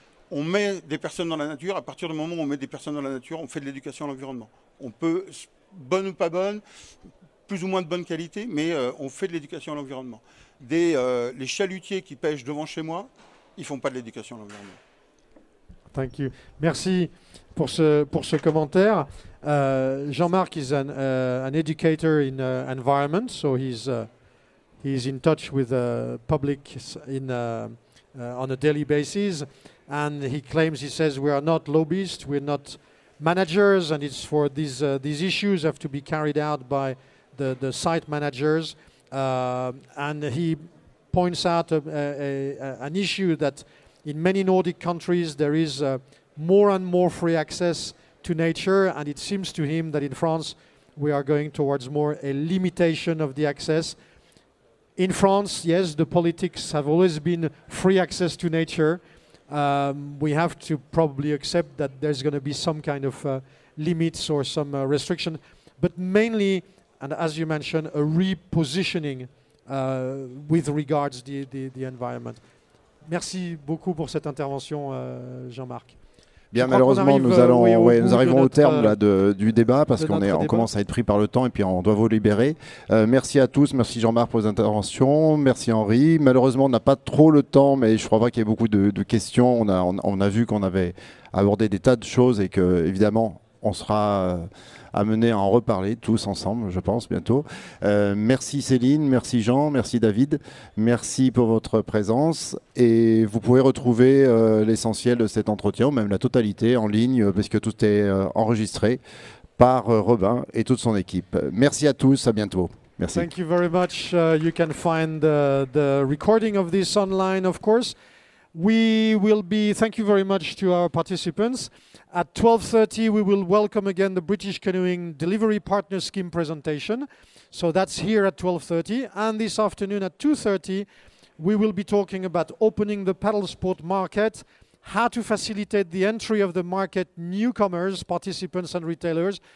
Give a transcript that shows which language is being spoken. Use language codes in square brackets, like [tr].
[fr] On met des personnes dans la nature. À partir du moment où on met des personnes dans la nature, on fait de l'éducation à l'environnement. On peut, bonne ou pas bonne, plus ou moins de bonne qualité, mais on fait de l'éducation à l'environnement. Les chalutiers qui pêchent devant chez moi, ils ne font pas de l'éducation à l'environnement. [en] Thank you. [fr] Merci pour ce commentaire. [en] Jean-Marc is an educator in environment, so he's... He's in touch with the public on a daily basis, and he says we are not lobbyists, we're not managers, and it's for these issues have to be carried out by the site managers. And he points out an issue that in many Nordic countries there is more and more free access to nature, and it seems to him that in France we are going towards more a limitation of the access. In France, yes, the politics have always been free access to nature. We have to probably accept that there's going to be some kind of limits or some restriction. But mainly, and as you mentioned, a repositioning with regards to the environment. [fr] Merci beaucoup pour cette intervention, Jean-Marc. Bien, malheureusement, nous arrivons au terme là, du débat parce qu'on débat. On commence à être pris par le temps et puis on doit vous libérer. Merci à tous. Merci Jean-Marc pour vos interventions. Merci Henri. Malheureusement, on n'a pas trop le temps, mais je crois pas qu'il y ait beaucoup de questions. On a vu qu'on avait abordé des tas de choses et que, évidemment, on sera amené à en reparler tous ensemble, je pense, bientôt. Merci Céline, merci Jean, merci David, merci pour votre présence. Et vous pouvez retrouver l'essentiel de cet entretien, ou même la totalité, en ligne, parce que tout est enregistré par Robin et toute son équipe. Merci à tous, à bientôt. Merci. [en] Thank you very much. You can find the recording of this online, of course. We will be, thank you very much to our participants. At 12:30, we will welcome again the British Canoeing Delivery Partner Scheme presentation. So that's here at 12:30. And this afternoon at 2:30, we will be talking about opening the paddle sport market, how to facilitate the entry of the market newcomers, participants and retailers.